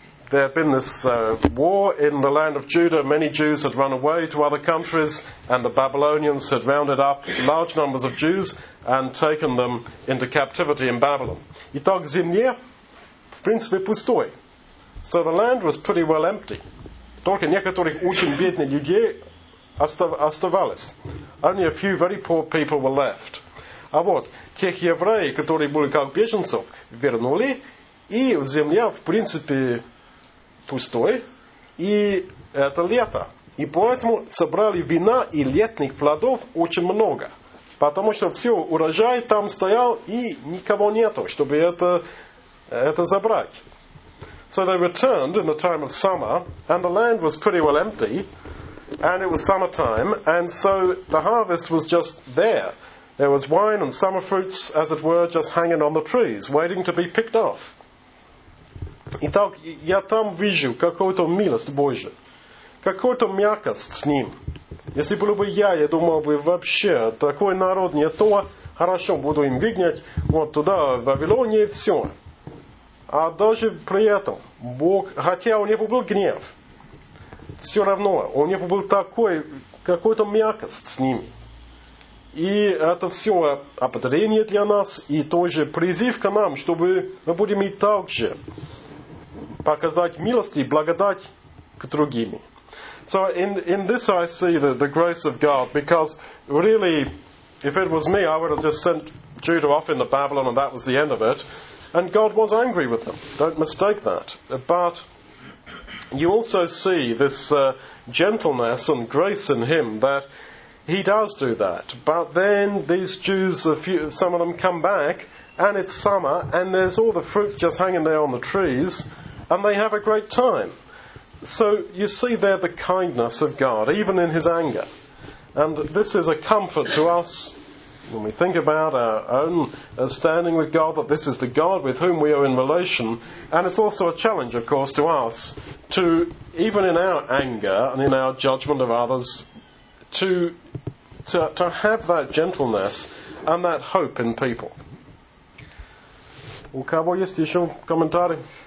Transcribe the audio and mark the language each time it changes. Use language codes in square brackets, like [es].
[en] There had been this war in the land of Judah. Many Jews had run away to other countries, and the Babylonians had rounded up large numbers of Jews and taken them into captivity in Babylon. [ru] Итак, земля в принципе пустой. [en] So the land was pretty well empty. [ru] Только некоторых очень бедных людей оставалось. [en] Only a few very poor people were left. [ru] А вот тех евреев, которые были как беженцев, вернули, и земля в принципе пустой, и это лето. И поэтому собрали вина и летних плодов очень много. Потому что все, урожай там стоял, и никого нету, чтобы это забрать. [en] So they returned in the time of summer, and the land was pretty well empty. And it was summertime, and so the harvest was just there. There was wine and summer fruits, as it were, just hanging on the trees, waiting to be picked off. [ru] Итак, я там вижу какую-то милость Божию, какую-то мягкость с ним. Если было бы я думал бы, вообще, такой народ не то, хорошо, буду им виднять, вот туда, в Вавилоне, и все. А даже при этом, Бог, хотя у него был гнев, все равно, у него был такой, какой-то мягкость с ним. И это все ободрение для нас, и тоже призыв к нам, чтобы мы будем и так же показать милость и благодать к другим. [en] So in this I see the grace of God, because really, if it was me, I would have just sent Judah off into Babylon and that was the end of it. And God was angry with them. Don't mistake that. But you also see this gentleness and grace in him that he does do that. But then these Jews, some of them come back, and it's summer, and there's all the fruit just hanging there on the trees, and they have a great time. So you see there the kindness of God, even in his anger. And this is a comfort to us when we think about our own standing with God, that this is the God with whom we are in relation. And it's also a challenge, of course, to us to, even in our anger and in our judgment of others, to have that gentleness and that hope in people. [ru] У кого есть еще комментарии?